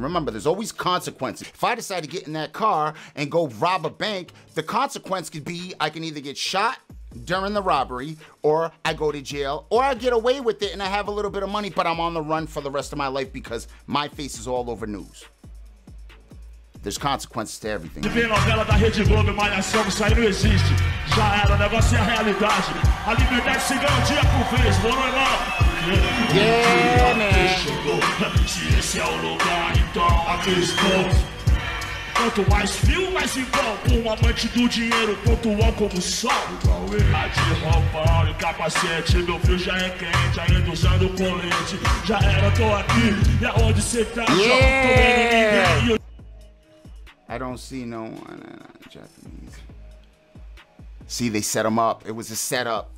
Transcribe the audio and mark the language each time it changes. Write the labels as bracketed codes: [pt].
[en] Remember, there's always consequences. If I decide to get in that car and go rob a bank, the consequence could be I can either get shot during the robbery, or I go to jail, or I get away with it and I have a little bit of money, but I'm on the run for the rest of my life because my face is all over news. There's consequences to everything. [pt] Vem novela da Rede Globo, Malhação, isso aí não existe. Já era, o negócio é a realidade. A liberdade se ganha dia por vez, moro lá. [en] Yeah, man. [pt] Se esse é o lugar, então aqui estou. Quanto mais frio, mais igual. Um amante do dinheiro, pontual como o sol. Igual eu. A de roupão e capacete. Meu frio já é quente, ainda usando colete. Já era, tô aqui. E aonde cê tá? [en] Yeah. Jogo, I don't see no one in Japanese. See, they set him up. It was a setup.